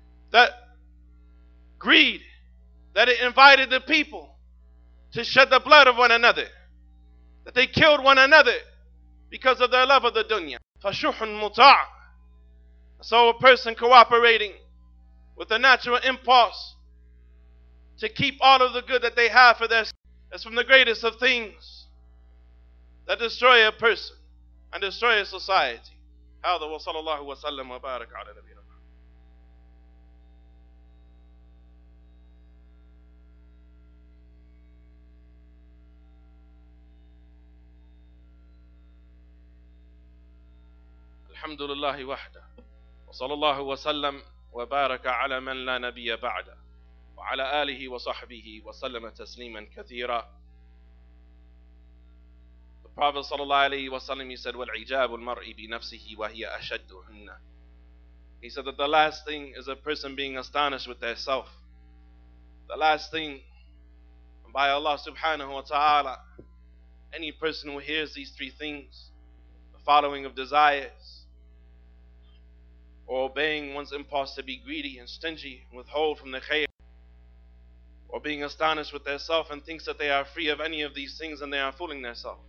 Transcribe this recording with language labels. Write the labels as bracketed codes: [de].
[en] That greed, that it invited the people to shed the blood of one another, that they killed one another because of their love of the dunya. Fashuhun muta'. So a person cooperating with the natural impulse to keep all of the good that they have for their sake is from the greatest of things that destroy a person and destroy a society. [ar] هذا وصلى الله وسلم وبارك على نبينا. الحمد لله وحده وصلى الله وسلم وبارك على من لا نبي بعده وعلى آله وصحبه وسلم تسليما كثيرا. [en] The Prophet [ar] صلى الله عليه وسلم [en] said, [ar] والعجاب المرء بنفسه وهي أشدهن. [en] He said that the last thing is a person being astonished with their self. The last thing, by Allah subhanahu wa ta'ala, any person who hears these three things, the following of desires, or obeying one's impulse to be greedy and stingy, withhold from the khayr, or being astonished with their self and thinks that they are free of any of these things and they are fooling their self.